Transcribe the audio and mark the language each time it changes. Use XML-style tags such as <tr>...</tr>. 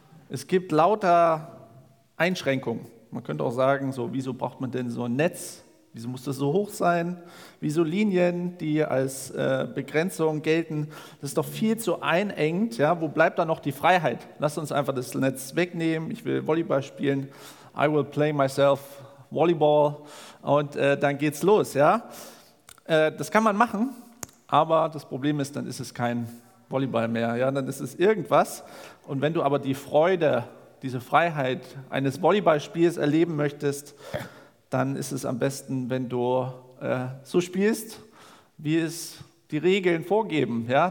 <de>Es gibt lauter Einschränkungen. Man könnte auch sagen, so, wieso braucht man denn so ein Netz? Wieso muss das so hoch sein? Wieso Linien, die als Begrenzung gelten? Das ist doch viel zu einengt. Ja? Wo bleibt da noch die Freiheit? Lass uns einfach das Netz wegnehmen. Ich will Volleyball spielen.</de> <en>I will play myself Volleyball.</en> <de>Und dann geht's los. Ja? Das kann man machen, aber das Problem ist, dann ist es kein Volleyball mehr. Ja? Dann ist es irgendwas. Und wenn du aber die Freude, diese Freiheit eines Volleyballspiels erleben möchtest, dann ist es am besten, wenn du so spielst, wie es die Regeln vorgeben. Ja?</de>